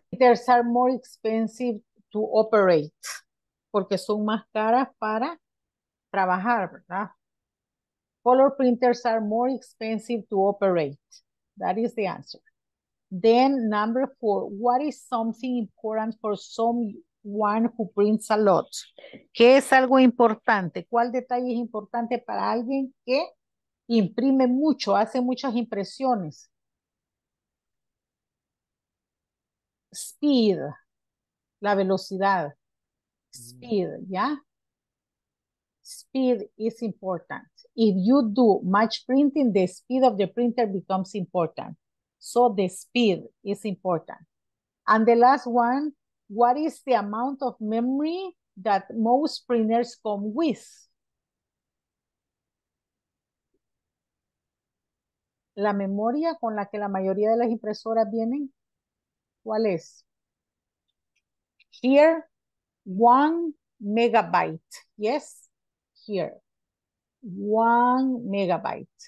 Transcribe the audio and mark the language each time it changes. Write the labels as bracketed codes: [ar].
[en] Printers are more expensive to operate. [es] Porque son más caras para trabajar, ¿verdad? [en] Color printers are more expensive to operate. That is the answer. Then number four. What is something important for some one who prints a lot? [es] ¿Qué es algo importante? ¿Cuál detalle es importante para alguien que imprime mucho, hace muchas impresiones? Speed, la velocidad. Speed, ¿ya? [en] Speed is important. If you do much printing, the speed of the printer becomes important. So the speed is important. And the last one, what is the amount of memory that most printers come with? [es] La memoria con la que la mayoría de las impresoras vienen, ¿cuál es? [en] Here, 1 megabyte. Yes, here, 1 megabyte.